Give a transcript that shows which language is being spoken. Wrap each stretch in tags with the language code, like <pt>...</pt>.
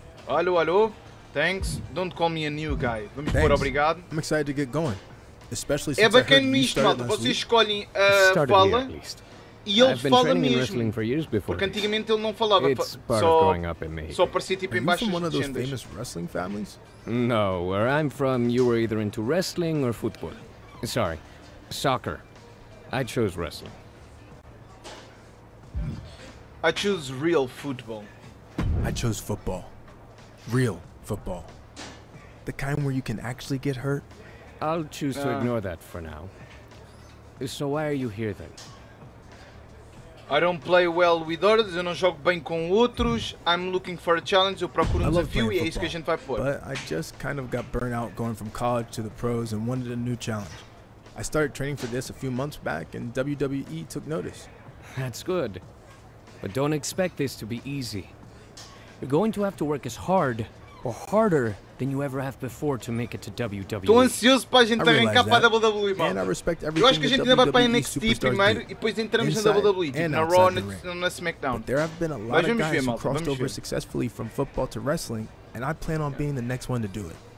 <en>Alô, alô. Thanks. Don't call me a new guy.</en> <pt>Vamos pôr obrigado.</pt> <en>I'm excited to get going. Especially</en> <pt>é bacana isto, malta. Vocês escolhem a fala</pt> <en>here,</en> <pt>e ele fala mesmo.</pt> <en>For years</en> <pt>porque antigamente ele não falava. Só aparecia tipo em baixo das gendas.</pt> <en>No, where I'm from, you were either into wrestling or football. Sorry, soccer. I chose wrestling. I chose real football. I chose football. Real football. The kind where you can actually get hurt. I'll choose to ignore that for now. So why are you here then? I don't play well with others,</en> <pt>eu não jogo bem com outros.</pt> <en>I'm looking for a challenge,</en> <pt>eu procuro um desafio e é isso que a gente vai pôr.</pt> <en>But I just kind of got burnt out going from college to the pros and wanted a new challenge. I started training for this a few months back and WWE took notice. That's good. But don't expect this to be easy. You're going to have to work as hard or harder than you ever have before to make it to WWE.</en> <pt>Tô ansioso para a gente arrancar para a WWE, mano.</pt> <en>And I respect everything.</en> <pt>Eu acho que a gente ainda vai para a NXT primeiro e depois entramos</pt> <en>inside,</en> <pt>na WWE, tipo, na Raw, na SmackDown.</pt> <en>But there have been a lot of guys who crossed over successfully from football to wrestling, and I plan on being the next one to do it.</en>